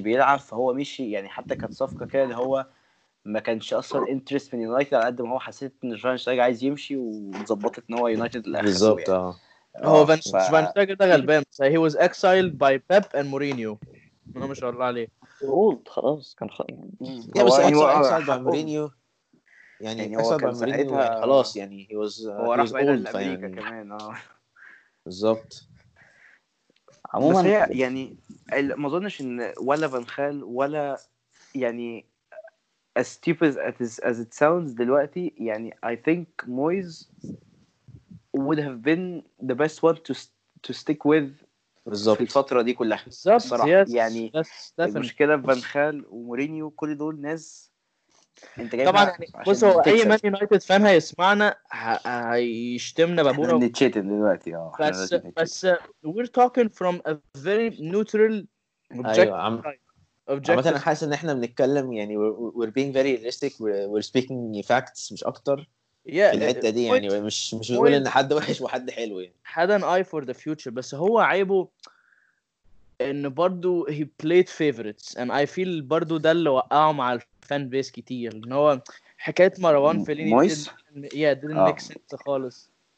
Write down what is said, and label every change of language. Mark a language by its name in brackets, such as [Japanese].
[Arabic] بيلعب فهو مشي يعني حتى كانت صفقة كده اللي هو ما كانش اصلا انترست من يونايتد على قد ما هو حسيت ان شفاينشتايجر عايز يمشي وتظبطت ان هو يونايتد الاخر بالظبط هو شفاينشتايجر ده غلبان [English] so he was exiled by Pep and Mourinho [Arabic] ما شاء الله عليه قلت خلاص كان يعني بس هو [English] exiled by Mourinho [Arabic] يعني هو كان ساعتها خلاص يعني هو راح بعيد لأمريكا كمان بالظبط عموما يعني ما اظنش ان ولا فان خال ولا يعني [English] As stupid as it sounds, دلوقتي يعني I think Moyes would have been the best one to stick with [Arabic] بالزبط. في الفترة دي كلها. بالزبط. صراحة yes. يعني المشكلة فان خال ومورينيو كل دول ناس. انت طبعاً بس هو أي من يونايتد فان هيسمعنا هيشتمنا بابونا. نتشتم دلوقتي. [English] بس we're talking from a very neutral objective. أيوة. [Arabic] مثلا حاسس ان احنا بنتكلم يعني [English] we're being very realistic we're speaking facts [Arabic] مش اكتر [English] yeah, [Arabic] في الحته دي يعني مش بنقول ان حد وحش وحد حلو يعني [English] had an eye for the future [Arabic] بس هو عيبه ان برضو [English] he played favorites and I feel [Arabic] برضو ده اللي وقعه مع الفان بيس كتير ان هو حكايه مروان فيليني مويس [English] didn't make sense خالص